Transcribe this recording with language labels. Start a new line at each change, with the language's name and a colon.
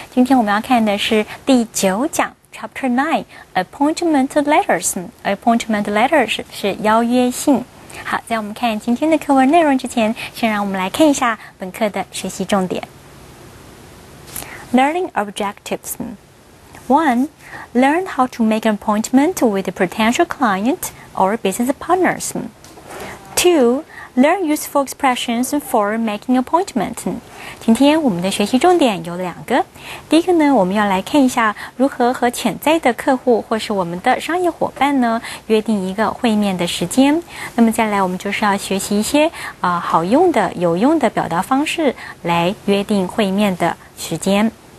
Chinese: 今天我们要看的是第九讲
English: Chapter 9, Appointment Letters.
Chinese: Appointment Letters 是邀约信。好，在我们看今天的课文内容之前，先让我们来看一下本课的学习重点。
English: Learning Objectives 1. Learn how to make an appointment with a potential client or business partners. 2. Learn useful expressions for making an appointment.
Chinese: 今天我们的学习重点有两个。第一个呢，我们要来看一下如何和潜在的客户或是我们的商业伙伴呢约定一个会面的时间。那么再来，我们就是要学习一些好用的、有用的表达方式来约定会面的时间。